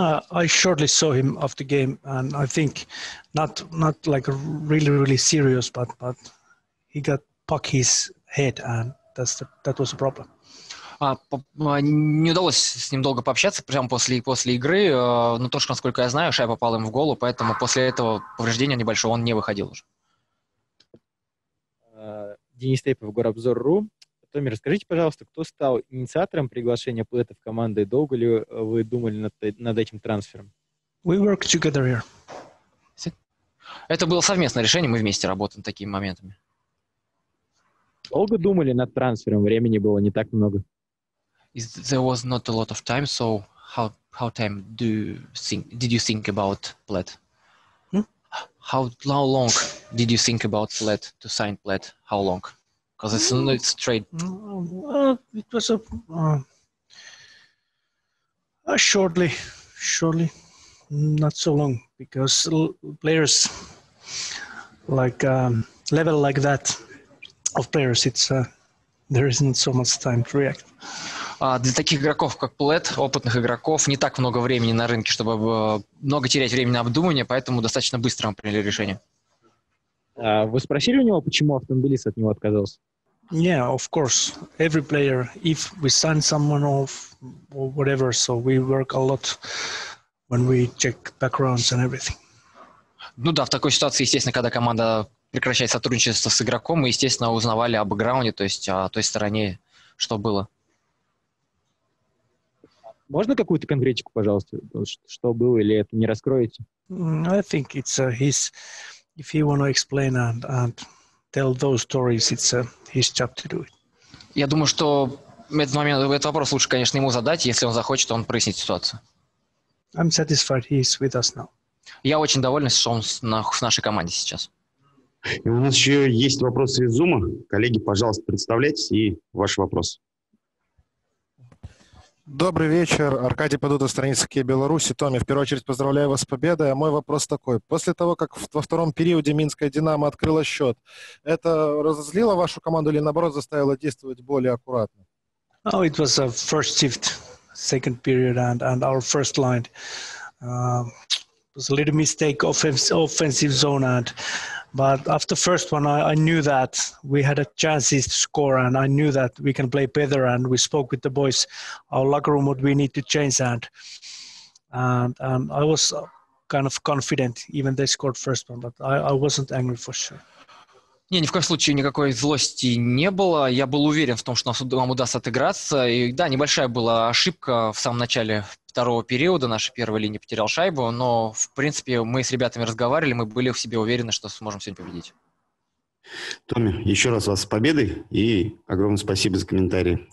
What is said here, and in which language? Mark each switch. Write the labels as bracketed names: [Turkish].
[English] I shortly saw him after game, and I think not like really really serious, but he got puck his head, and that was a problem. [Russian] Не удалось с ним долго пообщаться прямо после игры, но то, что, насколько я знаю, шайба попала ему в голову, поэтому после этого повреждения небольшого он не выходил уже. Денис Тейпов, Горобзор.ру. Томми, расскажите, пожалуйста, кто стал инициатором приглашения Плэта в команду и долго ли вы думали над этим трансфером? [English] We work together here. [Russian] Это было совместное решение, мы вместе работаем над такими моментами. Долго думали над трансфером, времени было не так много. [English] There was not a lot of time, so how time did you think about Plett? How long did you think about Plett, to sign Plett? How long? Because it's not straight. Well, it was shortly, not so long. Because players like level like that of players, it's there isn't so much time to react. [Russian] Для таких игроков, как Плэт, опытных игроков, не так много времени на рынке, чтобы много терять время на обдумывание, поэтому достаточно быстро мы приняли решение. Вы спросили у него, почему автомобилист от него отказался? [English] Yeah, of course. Every player, if we sign someone off or whatever, so we work a lot when we check backgrounds and everything. [Russian] Ну да, в такой ситуации, естественно, когда команда прекращает сотрудничество с игроком, мы, естественно, узнавали о бэкграунде, то есть о той стороне, что было. Можно какую-то конкретику, пожалуйста, что было или это не раскроете? [English] I think it's his, if he want to explain and tell those stories, it's his job to do it. [Russian] Я думаю, что этот вопрос лучше, конечно, ему задать, если он захочет, он прояснит ситуацию. [English] I'm satisfied he's with us now. [Russian] Я очень доволен, что он в нашей команде сейчас. И у нас еще есть вопросы из Zoom. Коллеги, пожалуйста, представляйтесь и ваш вопрос. Добрый вечер. Аркадий Падуда, страница «Киев Беларуси». Томми, в первую очередь поздравляю вас с победой. А мой вопрос такой. После того, как во втором периоде Минская «Динамо» открыла счет, это разозлило вашу команду или, наоборот, заставило действовать более аккуратно? [English] Oh, it was a first shift, second period, and our first line. It was a little mistake offensive zone, but after first one, I knew that we had a chances to score, and I knew that we can play better. And we spoke with the boys, our locker room, what we need to change, and I was kind of confident, even they scored first one, but I wasn't angry for sure. [Russian] Не, ни в коем случае никакой злости не было. Я был уверен в том, что нам удастся отыграться. И да, небольшая была ошибка в самом начале второго периода. Наша первая линия потеряла шайбу. Но, в принципе, мы с ребятами разговаривали. Мы были в себе уверены, что сможем сегодня победить. Томми, еще раз вас с победой. И огромное спасибо за комментарии.